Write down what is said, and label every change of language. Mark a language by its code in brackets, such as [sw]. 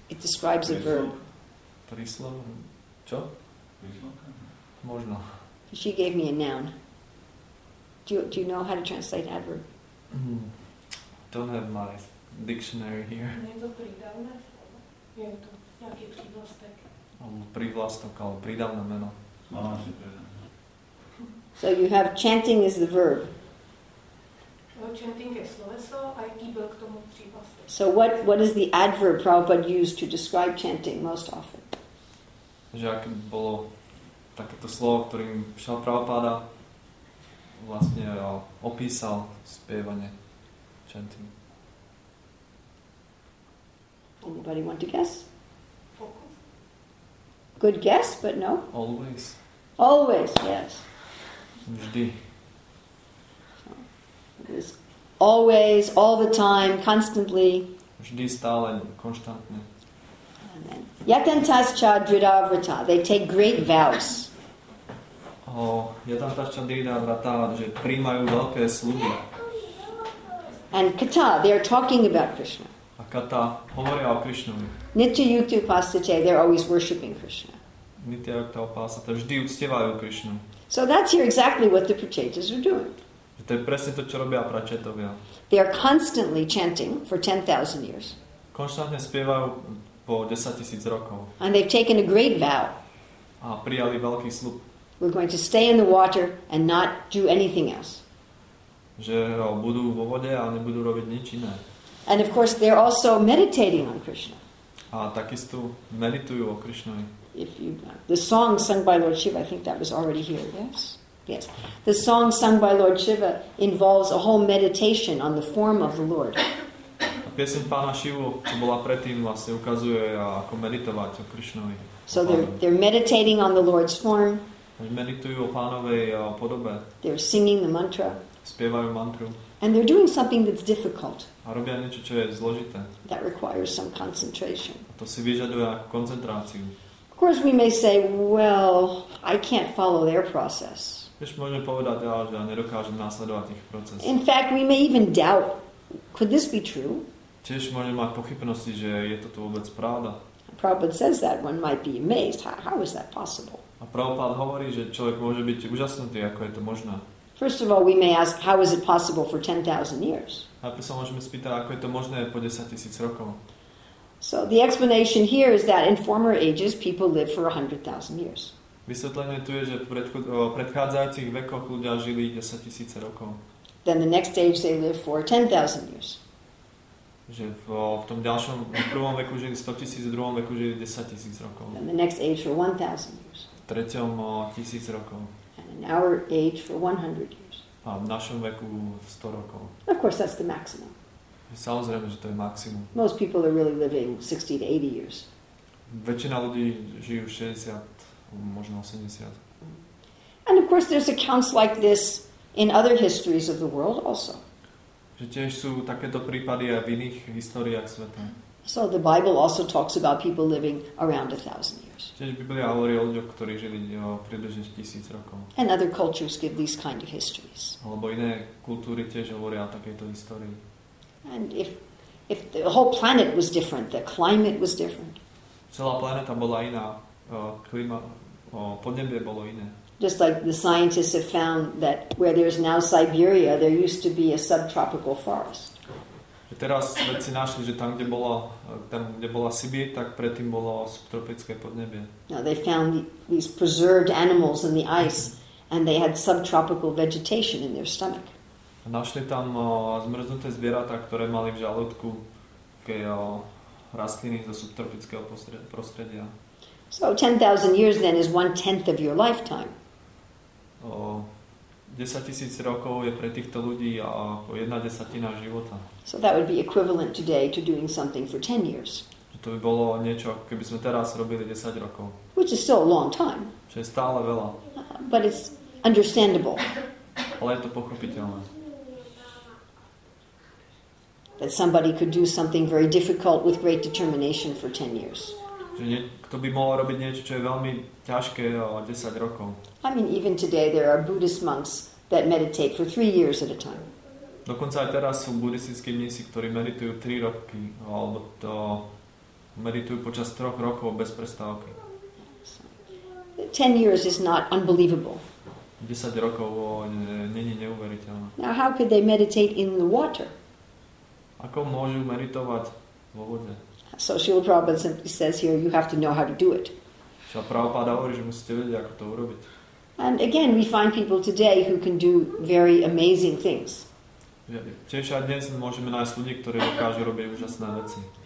[en] It describes a verb. [sk] Príslov? Čo? Príslovka? Možno. [en] She gave me a noun. Do you know how to translate adverb? Don't have my dictionary here. [sk] Je to prídavné slovo? Je to nejaký prívlastok? Prívlastok, alebo prídavné meno. [en] So you have chanting is the verb. [sk] Chanting je sloveso, aj kýbel k tomu prívlastok. [en] So what is the adverb Prabhupada used to describe chanting most often? [sk] Že ak bolo takéto slovo, ktorým šiel Prabhupada, vlastne opísal spievanie chanting. [en] Anybody want to guess? Focus. Good guess, but no. Always. Always, yes. [sk] Vždy. [en] It is always, all the time, constantly. [sk] Vždy, stále, konštantne. [sa] Yatantas cha dridavrata, [en] they take great vows. [sa] Yatantas cha dridavrata, [sk] že prijímajú veľké sľuby. [en] And kata, they are talking about Krishna. [sk] A kata hovoria o Krishnovi. [sa] Nitya yukta upasate, [en] they're always worshipping Krishna. [sa] Nitya yukta upasate, [sk] vždy uctievajú Krishnu. [en] So that's here exactly what the prachetas are doing. [sk] Že to je presne to, čo robia prachetovia. [en] They are constantly chanting for 10,000 years. [sk] Konštantne spievajú po 10,000 rokov. [en] And they've taken a great vow. [sk] a prijali veľký sľub. [en] We're going to stay in the water and not do anything else. [sk] Že budú vo vode a nebudú robiť nič iné. [en] And of course they're also meditating on Krishna. [sk] A takisto meditujú o Krishnovi. [en] If you, the song sung by Lord Shiva, I think that was already here, yes? Yes. The song sung by Lord Shiva involves a whole meditation on the form of the Lord. [sk] A pieseň Pána Šivu, čo bola predtým, vlastne ukazuje, ako meditovať o Krišnovi. [en] So they're meditating on the Lord's form. [sk] Meditujú o Pánovej podobe. [en] They're singing the mantra. [sk] Spievajú mantru. [en] And they're doing something that's difficult. [sk] A robia niečo, čo je zložité. [en] That requires some concentration. [sk] A to si vyžaduje koncentráciu. [en] Of course we may say, well, I can't follow their process. [sk] Môžeme povedať, že ja nedokážem nasledovať ich proces. [en] In fact, we may even doubt, could this be true? [sk] Tiež môžeme mať pochybnosti, že je toto vôbec pravda. [en] Prabhupada says that one might be amazed. How is that possible? [sk] A Prabhupada hovorí, že človek môže byť úžasnutý, ako je to možné. [en] First of all, we may ask, how is it possible for 10,000 years? [sk] Najprv sa môžeme spýtať, ako je to možné po 10,000 rokov. [en] So the explanation here is that in former ages people lived for 100,000 years. [sk] Vysvetlenie tu je, že v predchádzajúcich vekoch ľudia žili 10,000 rokov. [en] Then the next age they lived for 10,000 years. [sk] Že v tom ďalšom, v prvom veku žili 100,000, v druhom veku žili 10,000 rokov. [en] Then the next age for 1,000 years. [sk] V treťom 1,000 rokov. [en] And in our age for 100 years. [sk] A v našom veku 100 rokov. [en] Of course that's the maximum. [sk] Samozrejme, že to je maximum. [en] Most people are really living 60 to 80 years. [sk] Väčšina ľudí žijú 60, možno 80. [en] And of course there's accounts like this in other histories of the world also. [sk] Že tiež sú takéto prípady aj v iných históriách sveta. [en] So the Bible also talks about people living around 1,000 years. [sk] Tiež Biblia hovorí o ľuďoch, ktorí žili približne 1,000 rokov. [en] And other cultures give these kind of histories. [sk] Alebo iné kultúry tiež hovoria o takejto histórii. [en] And if the whole planet was different, the climate was different. [sk] Celá planéta bola iná, klíma, podnebie bolo iné. [en] Just like the scientists have found that where there is now Siberia, there used to be a subtropical forest. [sk] Teraz vedci našli, že tam kde bola Sibir, tak predtým bolo subtropické podnebie. [en] Now they found these preserved animals in the ice and they had subtropical vegetation in their stomach. [sk] Našli tam zmrznuté zvieratá, ktoré mali v žalúdku rastliny zo subtropického prostredia. [en] So 10,000 years then is 1/10 of your lifetime. [sk] 10,000 rokov je pre týchto ľudí jedna desatina života. [en] So that would be equivalent today to doing something for 10 years. [sk] To by bolo niečo, keby sme teraz robili 10 rokov. [en] Which is still a long time. [sk] Čo je stále veľa. [en] But it's understandable. [sk] Ale je to pochopiteľné. [en] That somebody could do something very difficult with great determination for 10 years. [sk] Kto by mohol robiť niečo, čo je veľmi ťažké 10 rokov. [en] I mean, even today there are Buddhist monks that meditate for 3 years at a time. [sk] Dokonca aj teraz sú buddhistickí mnísi, ktorí meditujú 3 roky, alebo to meditujú počas 3 rokov bez prestávky. [en] 10 years is not unbelievable. [sk] 10 rokov není neuveriteľné. [en] Now how could they meditate in the water? [sk] Ako môžu meditovať vo vode? [en] So Srila Prabhupada simply says here, you have to know how to do it. [sk] Srila Prabhupada hovorí, že musíte vedieť, ako to urobiť. [en] And again, we find people today who can do very amazing things. [sk] Tiež aj dnes môžeme nájsť ľudí, ktorí dokážu robiť úžasné veci.